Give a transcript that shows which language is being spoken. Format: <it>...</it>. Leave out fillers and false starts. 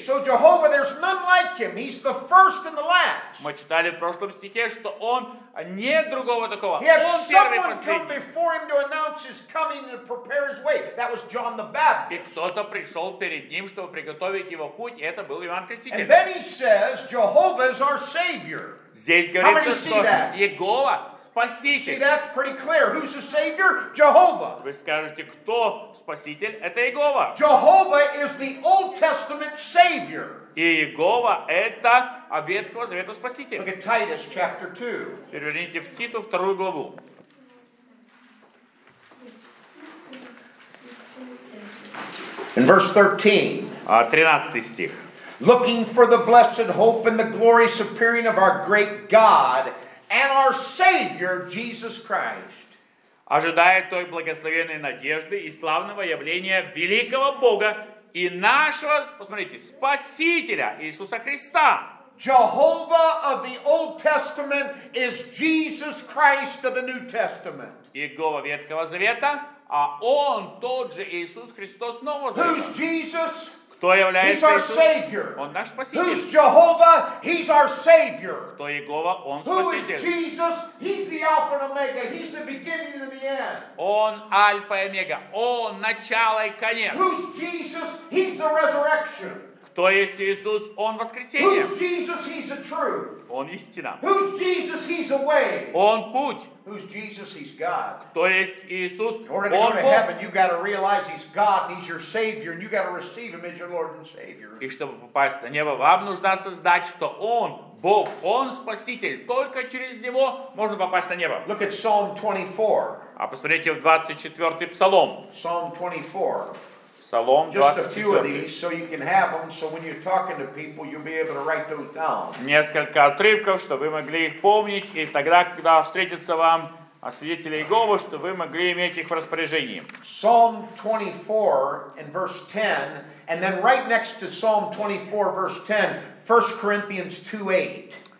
<en>So Jehovah, there's none like him. He's the first and the last.</en> <ru>Мы читали в прошлом стихе, что он нет другого такого.</ru> <en>He had someone come before him to announce his coming and prepare his way. That was John the Baptist.</en> <ru>И кто-то пришел перед ним, чтобы приготовить его путь, и это был Иоанн Креститель.</ru> <en>And then he says, Jehovah is our savior.</en> <ru>Здесь говорится, что Иегова спаситель.</ru> <en>See, that's pretty clear. Who's the savior? Jehovah.</en> <ru>Вы скажете, кто спаситель? Это Иегова.</ru> <en>Jehovah is the Old Testament savior.</en> <ru>И Иегова это Ветхого Завета спаситель.</ru> <en>Look at Titus chapter 2.</en> <ru>Переверните в Титу вторую главу.</ru> <en>In verse 13.</en> <ru>13 стих.</ru> <en>Looking for the blessed hope and the glorious appearing of our great God and our Savior, Jesus Christ.</en> <ru>ожидая той благословенной надежды и славного явления великого Бога и нашего, посмотрите, Спасителя Иисуса Христа.</ru> <en>Jehovah of the Old Testament is Jesus Christ of the New Testament.</en> <ru>Иегова Ветхого Завета, а Он тот же Иисус Христос Нового Завета.</ru> <en>Who's Jesus?</en> <ru>Кто является</ru> <en>He's our Savior.</en> <ru>Иисус? Он наш Спаситель.</ru> <en>Who's Jehovah? He's our Savior.</en> <ru>Кто Иегова? Он Спаситель.</ru> <en>Who is Jesus? He's the Alpha and Omega. He's the beginning and the end.</en> <ru>Он Альфа и Омега. Он начало и конец.</ru> <en>Who's Jesus? He's the resurrection.</en> <ru>Кто есть Иисус? Он воскресение.</ru> <en>Who's Jesus? He's the truth.</en> <ru>Он истина.</ru> <en>Who's Jesus? He's the way.</en> <ru>Он путь.</ru> <en>Who's Jesus? He's God.</en> <ru>Кто есть Иисус?</ru> <en>In order to go to heaven, you got to realize He's God and He's your Savior, and you got to receive Him as your Lord and Savior.</en> <ru>И чтобы попасть на небо, вам нужно осознать, что Он Бог, Он Спаситель. Только через Него можно попасть на небо.</ru> <en>Look at Psalm 24.</en> <ru>А посмотрите в 24-й псалом.</ru> <en>Psalm 24.</en> <ru>Псалом 24.</ru> <en>Just a few of these, so you can have them, so when you're talking to people, you'll be able to write those down.</en> <ru>Несколько отрывков, чтобы вы могли их помнить, и тогда, когда встретится вам свидетели Иеговы, чтобы вы могли иметь их в распоряжении.</ru> <en>Psalm 24 and verse 10, and then right next to Psalm 24 verse 10, 1 Corinthians 2:8.</en>